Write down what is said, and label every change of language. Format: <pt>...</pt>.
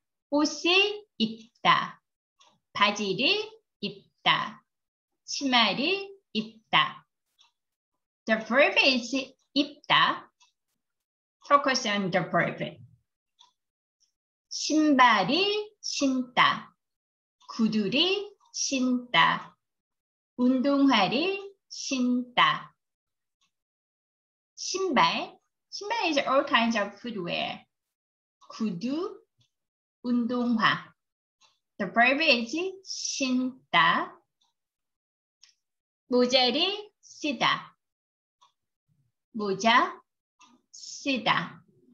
<ko>옷을 입다, 바지를 입다, 치마를 입다.</ko> <en>The verb is 입다. Focus on the verb.</en> <ko>신발을 신다, 구두를 신다, 운동화를 신다. 신발.</ko> <en>Shinbai is all kinds of footwear.</en> <ko>구두, 운동화.</ko> <en>The verb is 신다.</en> <ko>모자를 쓰다. 모자 쓰다.</ko>